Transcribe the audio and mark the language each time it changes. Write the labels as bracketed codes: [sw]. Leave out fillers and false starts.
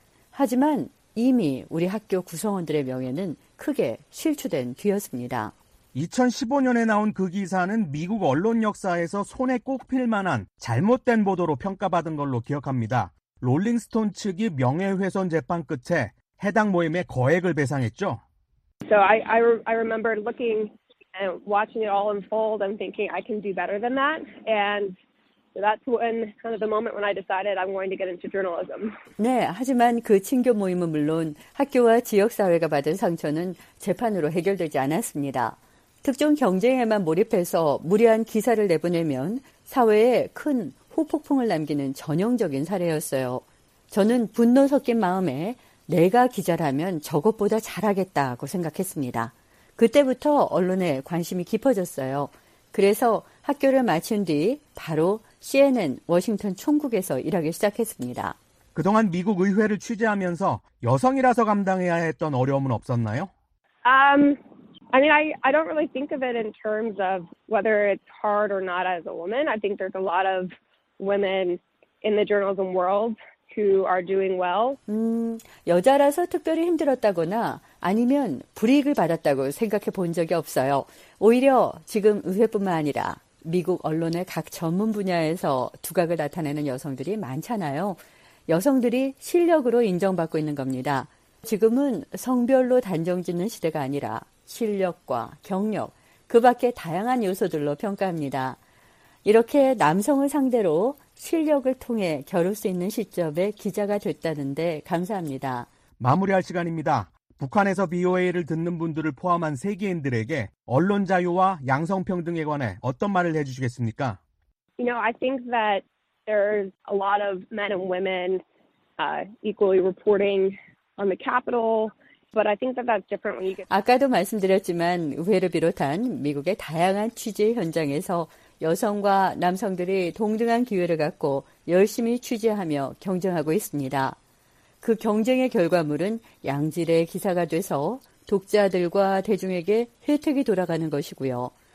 [ko] 하지만 이미 우리 학교 구성원들의 명예는 크게 실추된 뒤였습니다. 2015년에 나온 그 기사는 미국 언론 역사에서 손에 꼭 필 만한 잘못된 보도로 평가받은 걸로 기억합니다. 롤링스톤 측이 명예훼손 재판 끝에 해당 모임에 거액을 배상했죠. [en] So I remember looking and watching it all unfold and thinking I can do better than that. And that's when kind of the moment when I decided I'm going to get into journalism. [ko] 네, 하지만 그 친교 모임은 물론 학교와 지역 사회가 받은 상처는 재판으로 해결되지 않았습니다. 특정 경쟁에만 몰입해서 무리한 기사를 내보내면 사회에 큰 후폭풍을 남기는 전형적인 사례였어요. 저는 분노 섞인 마음에 내가 기자라면 저것보다 잘하겠다고 생각했습니다. 그때부터 언론에 관심이 깊어졌어요. 그래서 학교를 마친 뒤 바로 CNN 워싱턴 총국에서 일하기 시작했습니다. 그동안 미국 의회를 취재하면서 여성이라서 감당해야 했던 어려움은 없었나요? [en] I don't really think of it in terms of whether it's hard or not as a woman. I think there's a lot of women in the journalism world. Who are doing well? [ko] 여자라서 특별히 힘들었다거나 아니면 불이익을 받았다고 생각해 본 적이 없어요. 오히려 지금 의회뿐만 아니라 미국 언론의 각 전문 분야에서 두각을 나타내는 여성들이 많잖아요. 여성들이 실력으로 인정받고 있는 겁니다. 지금은 성별로 단정짓는 시대가 아니라 실력과 경력, 그 밖에 다양한 요소들로 평가합니다. 이렇게 남성을 상대로 실력을 통해 겨룰 수 있는 시점에 기자가 됐다는데 감사합니다. 마무리할 시간입니다. 북한에서 BOA를 듣는 분들을 포함한 세계인들에게 언론 자유와 양성평등에 관해 어떤 말을 해주시겠습니까? [en] You know, I think that there's a lot of men and women equally reporting on the Capitol. But I think that that's different when you get. [ko] 아까도 말씀드렸지만 의회를 비롯한 미국의 다양한 취재 현장에서 여성과 남성들이 동등한 기회를 갖고 열심히 취재하며 경쟁하고 있습니다. 그 경쟁의 결과물은 양질의 기사가 돼서 독자들과 대중에게 혜택이 돌아가는 것이고요.